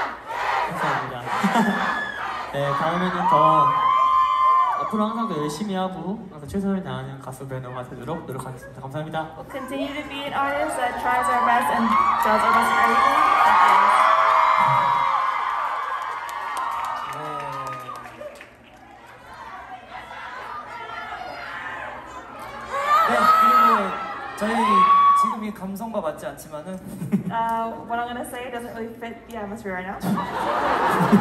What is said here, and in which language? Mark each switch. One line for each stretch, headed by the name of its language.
Korean: 다음에는 더 앞으로 항상 더 열심히 하고 항상 최선을 다하는 가수 배너가 되도록 노력하겠습니다. 감사합니다.
English: We'll continue to be an artist that tries our best and does our best for everything. Thank you.
Korean: 네, 그리고 저희 지금이 감성과 맞지 않지만은
English: What I'm gonna say doesn't really fit the atmosphere right now.